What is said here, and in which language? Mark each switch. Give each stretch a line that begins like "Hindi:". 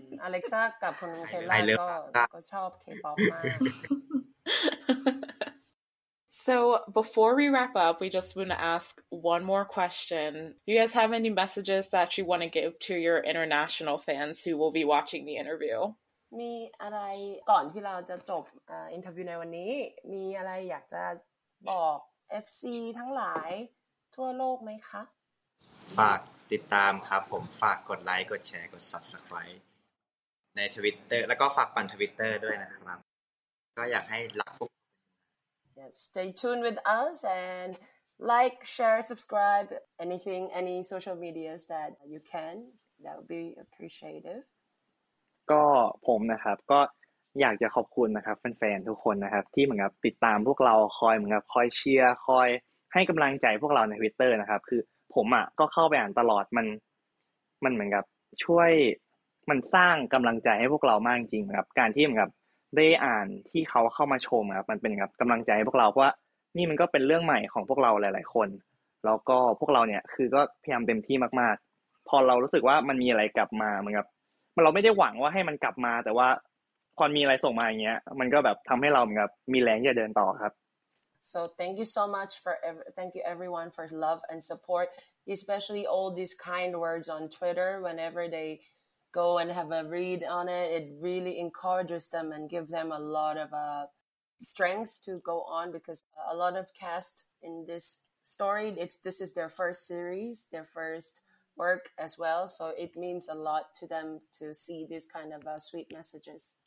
Thai: Alexa กับคุณเคลล่าก็ชอบ K-pop มาก
English: So before we wrap up, we just want to ask one more question. Do you guys have any messages that you want to give to your international fans who will be watching the interview?
Thai: มีอะไรก่อนที่เราจะจบอินเทอร์วิวในวันนี้มีอะไรอยากจะบอก FC ทั้งหลายทั่วโลกไหมคะ ฝากติดตามครับผมฝากกดไลค์กดแชร์กด Subscribe ใน Twitter แล้วก็ฝากปั่น Twitter ด้วยนะครับก็อยากให้รักพวก
English: Stay tuned with us and like share subscribe anything any social medias that you can that would be appreciative
Thai: ก็ผมนะครับก็อยากจะขอบคุณนะครับแฟนๆทุกคนนะครับที่เหมือนกับติดตามพวกเราคอยเหมือนกับคอยเชียร์คอยให้กําลังใจพวกเราใน Twitter นะครับคือผมอ่ะก็เข้าไปอ่านตลอดมันเหมือนกับช่วย มันสร้างกําลังใจให้พวกเรามากจริงๆครับการที่เหมือนกับได้อ่านที่เขาเข้ามาชมครับมันเป็นกับกําลังใจให้พวกเราเพราะนี่มันก็เป็นเรื่องใหม่ของพวกเราหลายๆคนแล้วก็พวกเราเนี่ยคือก็พยายามเต็มที่มากๆพอเรารู้สึกว่ามันมีอะไรกลับมาเหมือนกับเราไม่ได้หวังว่าให้มันกลับมาแต่ว่า พอมีอะไรส่งมาอย่างเงี้ยมันก็แบบทำให้เราแบบมีแรงที่จะเดินต่อครับ
English: So thank you so much for thank you everyone for love and support especially all these kind words on Twitter whenever they go and have a read on it it really encourages them and give them a lot of strength to go on because a lot of cast in this story this is their first series their firstwork as well so it means a lot to them to see these kind of sweet messages